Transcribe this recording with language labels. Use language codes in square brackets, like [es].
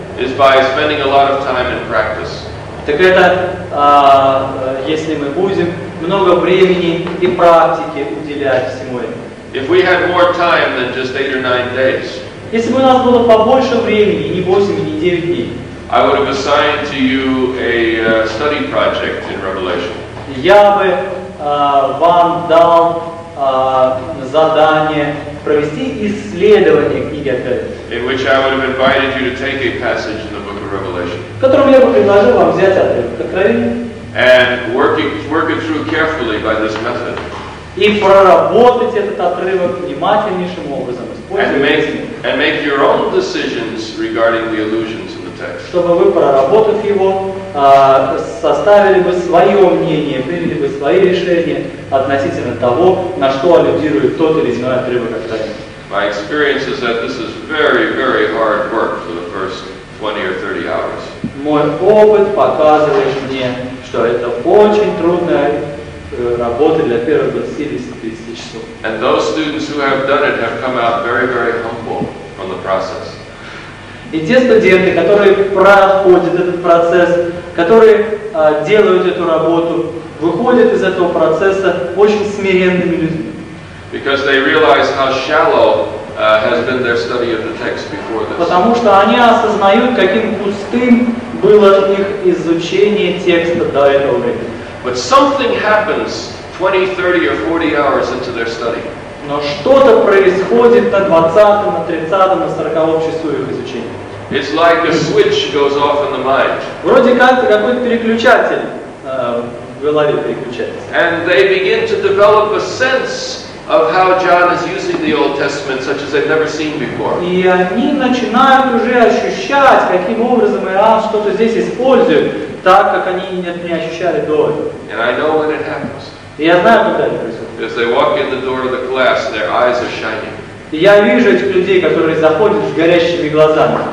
[en] Is by spending a lot of time in practice. [ru] Так это если мы будем много времени и практики уделять всему этому. [en] If we had more time than just 8 or 9 days. [ru] Если бы у нас было побольше времени, не 8 и не 9 дней. [en] I would have assigned to you a study project in Revelation. [ru] Я бы вам дал задание провести исследование книги Откровения. [en] In which I would have invited you to take a passage in the Book of Revelation. [ru] В котором я бы предложил вам взять Откровение. [en] And work it through carefully by this method. [ru] И проработать этот отрывок внимательнейшим образом, [en] and make your own decisions regarding the allusions in the text. [ru] Чтобы вы, проработав его, составили бы свое мнение, приняли бы свои решения относительно того, на что аллюдирует тот или иной отрывок Откровения. [en] My experience is that this is very, very hard work for the first 20 or 30 hours. [ru] Мой опыт показывает мне, что это очень трудная работа для первых 20-30 часов. [en] And those students who have done it have come out very, very humble from the process. [ru] И те студенты, которые проходят этот процесс, которые делают эту работу, выходят из этого процесса очень смиренными людьми. [en] Because they realize how shallow has been their study of the text before this. [ru] Потому что они осознают, каким пустым было их изучение текста до этого времени. [en] But something happens 20, 30, or 40 hours into their study. [ru] Но что-то происходит на 20-м, на 30-м, на 40-м часу их изучения. [en] It's like a switch goes off in the mind. [ru] Вроде как какой-то переключатель в голове переключается. [en] And they begin to develop a sense of how John is using the Old Testament, such as they've never seen before. [ru] И они начинают уже ощущать, каким образом Иоанн что-то здесь использует, так как они не ощущали до этого. [en] And I know when it happens. [ru] И я знаю, когда это происходит. [en] As they walk in the door of the class, their eyes are shining. [ru] И я вижу этих людей, которые заходят с горящими глазами.